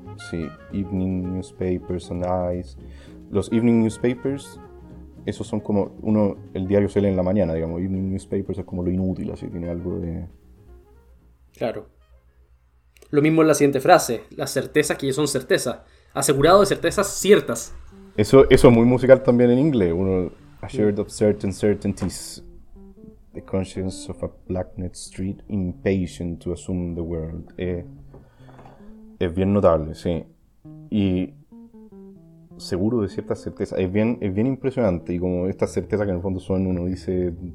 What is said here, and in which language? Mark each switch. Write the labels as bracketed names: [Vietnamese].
[English] Sí, evening newspapers and eyes. [Spanish] Los [English] evening newspapers, [Spanish] esos son como uno, el diario se lee en la mañana, digamos. [English] Evening newspapers [Spanish] es como lo inútil, así tiene algo de. Claro. Lo mismo en la siguiente frase, las certezas que ya son certezas, asegurado de certezas ciertas. Eso es muy musical también en inglés. [English] Uno assured of certain certainties, the conscience of a black net street, impatient to assume the world. [Spanish] Es bien notable, sí. Y seguro de cierta certeza. Es bien impresionante. Y como esta certeza que en el fondo son, uno dice.